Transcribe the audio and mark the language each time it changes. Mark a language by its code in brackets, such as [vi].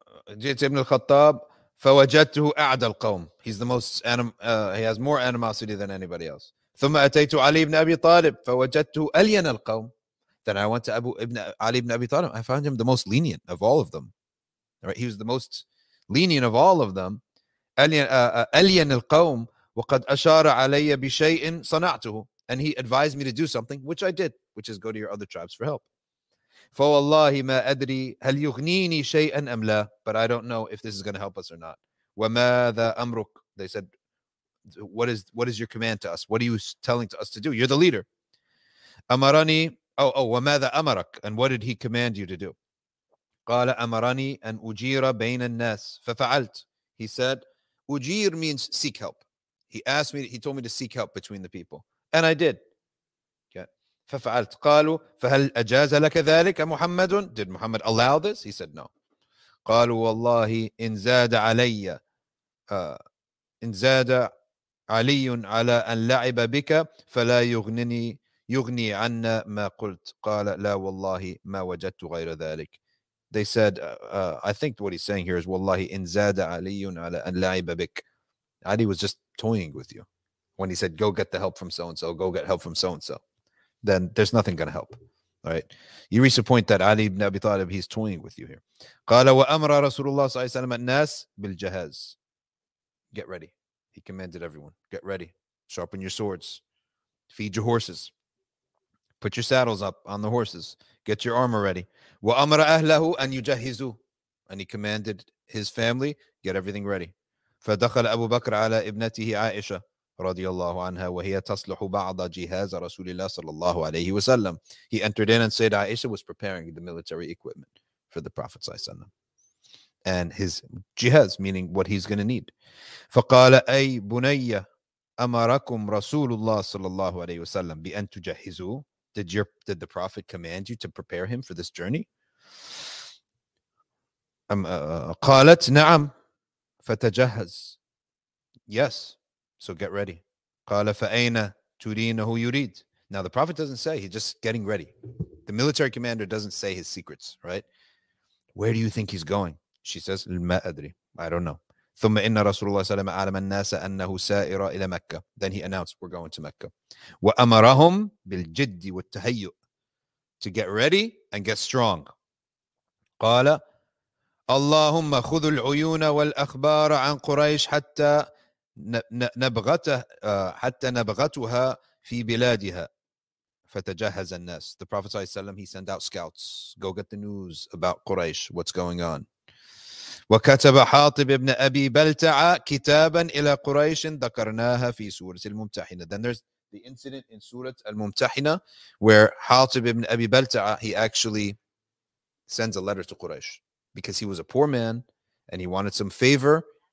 [ar] جئت ابن الخطاب فوجدته أعدى القوم. [en] He's the most he has more animosity than anybody else. [ar] ثم أتيت علي بن أبي طالب فوجدته ألين القوم. [en] Then I went to Abu ibn Ali ibn Abi Talib. I found him the most lenient of all of them. Right? He was the most lenient of all of them. [ar] ألين القوم وقد أشار علي بشيء صنعته. [en] And he advised me to do something, which I did, which is go to your other tribes for help. [ar] فوالله ما أدري هل يغنيني شيئا أم لا. [en] But I don't know if this is going to help us or not. [ar] وماذا أمرك. [en] They said, what is your command to us? What are you telling to us to do? You're the leader. [ar] أمرني. Oh, وماذا أمرك. [en] And what did he command you to do? [ar] قال أمرني أن أجير بين الناس ففعلت. [en] He said, أجير means seek help. He told me to seek help between the people. And I did. [ar] ففعلت. قالوا فهل أجاز لك ذلك محمد. [en] Did Muhammad allow this? He said no. [ar] قالوا والله إن زاد علي إن زاد علي على أن لعب بك فلا يغني عنا ما قلت. قال لا والله ما وجدت غير ذلك. [en] They said I think what he's saying here is [ar] والله إن زاد علي على أن لعب بك. [en] Ali was just toying with you when he said go get the help from so and so, go get help from so and so. Then there's nothing going to help, right? You reach the point that Ali ibn Abi Talib, he's toying with you here. [ar] قَالَ وَأَمْرَ رَسُولُ اللَّهِ صَلَّى اللَّهُ عَلَيْهِ وَسَلَّمَ النَّاسِ بِالْجَهَازِ. [en] Get ready. He commanded everyone, get ready. Sharpen your swords. Feed your horses. Put your saddles up on the horses. Get your armor ready. [ar] وَأَمْرَ أَهْلَهُ أَنْ يُجَهِزُ. [en] And he commanded his family, get everything ready. [ar] فَدَخَلَ أَبُو بَكْرَ عَلَى ابْنَتِهِ عَائِشَةَ رضي الله عنها وهي تصلح بعض جهاز رسول الله صلى الله عليه وسلم. [en] He entered in and said Aisha was preparing the military equipment for the Prophet صلى الله عليه وسلم. And his jihaz, meaning what he's going to need. [ar] فقال أي بني أمركم رسول الله صلى الله عليه وسلم بأن تجهزوا. [en] Did the Prophet command you to prepare him for this journey? [ar] قالت نعم فتجهز. [en] Yes, so get ready. [ar] قال فأين ترينه يريد. [en] Now the Prophet doesn't say, he's just getting ready. The military commander doesn't say his secrets, right? Where do you think he's going? She says, [ar] ما أدري. [en] I don't know. [ar] ثم إن رسول الله صلى الله عليه وسلم أعلم الناس أنه سائر إلى مكة. [en] Then he announced, we're going to Mecca. [ar] وأمرهم بالجد والتهيؤ. [en] To get ready and get strong. [ar] قال اللهم خذ العيون والأخبار عن قريش حتى نبغته حتى نبغتها في بلادها. فتجهز الناس. [en] The Prophet صلى الله عليه وسلم, he sent out scouts. Go get the news about Quraysh. What's going on? [ar] وكتب حاطب ابن أبي بلتعة كتابا إلى قريش ذكرناها في سورة الممتحنة. [en] Then there's the incident in سورة الممتحنة where حاطب ابن أبي بلتعة, he actually sends a letter to Quraysh because he was a poor man and he wanted some favor.